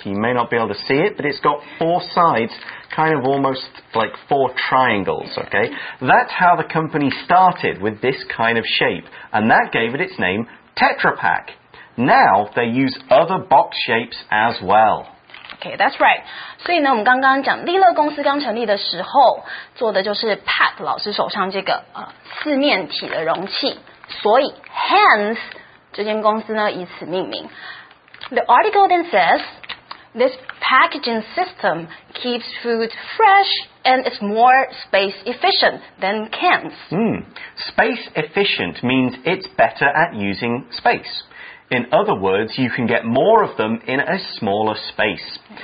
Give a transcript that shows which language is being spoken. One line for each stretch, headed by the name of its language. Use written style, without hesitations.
English: You may not be able to see it, but it's got four sides, kind of almost like four triangles, okay? That's how the company started with this kind of shape, and that gave it its name, Tetra Pak. Now, they use other box shapes as well. Okay, that's right.
Chinese: 所以呢，我们刚刚讲利乐公司刚成立的时候，做的就是 Pat 老师手上这个四面体的容器，所以
English: hence
Chinese: 这间公司呢以此命名。
English: The article then says, this packaging system keeps food fresh and is more space efficient than cans. Space efficient means it's better at using space. In other words, you can get more of them in a smaller space.